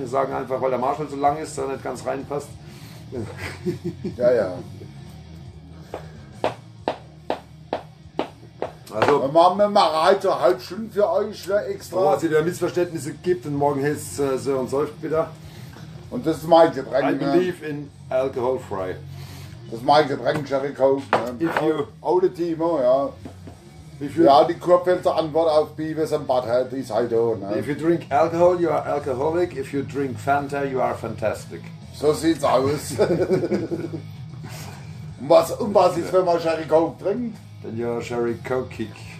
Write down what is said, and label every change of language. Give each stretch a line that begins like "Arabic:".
German: Wir sagen einfach, weil der Marshall so lang ist, dass er nicht ganz reinpasst. Ja, ja. Also, wir machen heute halt schön für euch, ne, extra. Oh, also, wenn es Missverständnisse gibt und morgen heißt es Sören Seufzt wieder. Und das ist mein Getränk.
English: I believe in alcohol free.
German: Das ist mein Getränk, Jerry Coke. Ne?
English: If you.
German: Ohne Timo, ja.
English: If you,
German: ja, die Kurpfälzer Antwort auf Beavis and Butthead ist halt auch. Ne?
English: If you drink alcohol, you are alcoholic. If you drink Fanta, you are fantastic.
German: So sieht's aus. Und was ist, wenn man Jerry Coke trinkt?
English: Then you are Jerry Coke kick.